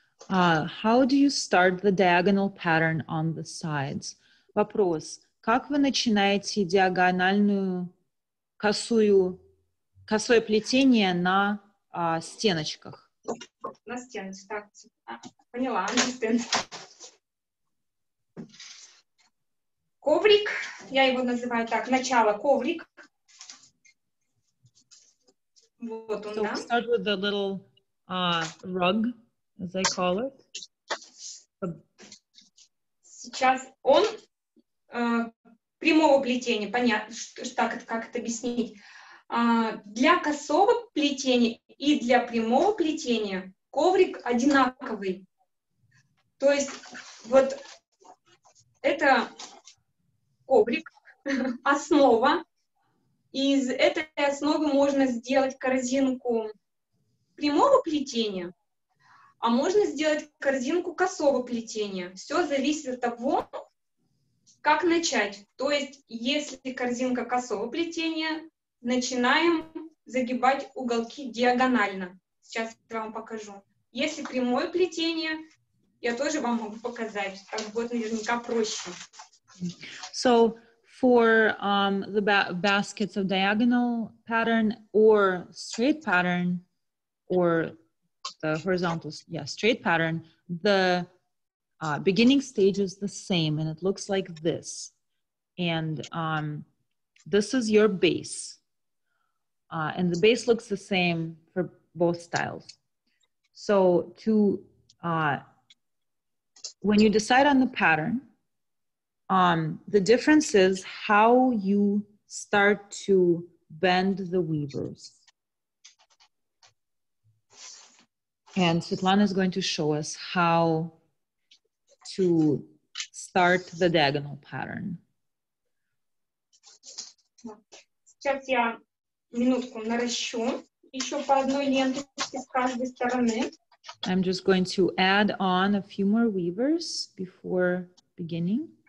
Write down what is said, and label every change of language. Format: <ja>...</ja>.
<en>How do you start the diagonal pattern on the sides?</en> <ru>Вопрос. Как вы начинаете диагональную косое плетение на стеночках? На стеночках. Поняла.</ru> <en>Understand.</en> <ru>Коврик, я его называю так, начало коврик. Вот он,</ru> <en>so</en> <ru>да.</ru> <en>So start with the little rug, as I call it.</en> <ru>С сейчас он прямого плетения, понятно, так это как это объяснить. Для косого плетения и для прямого плетения коврик одинаковый. То есть вот это коврик, основа. Из этой основы можно сделать корзинку прямого плетения, а можно сделать корзинку косого плетения. Все зависит от того, как начать. То есть, если корзинка косого плетения, начинаем загибать уголки диагонально. Сейчас я вам покажу. Если прямое плетение, я тоже вам могу показать. Так будет наверняка проще.</ru> <en>So, for the baskets of diagonal pattern or straight pattern, or the horizontal, yeah, straight pattern, the beginning stage is the same, and it looks like this. And this is your base. And the base looks the same for both styles. So to when you decide on the pattern, the difference is how you start to bend the weavers. And Svetlana is going to show us how to start the diagonal pattern.</en> <ru>Сейчас я минутку наращу еще по одной ленточке с каждой стороны.</ru> <en>I'm just going to add on a few more weavers before beginning.</en>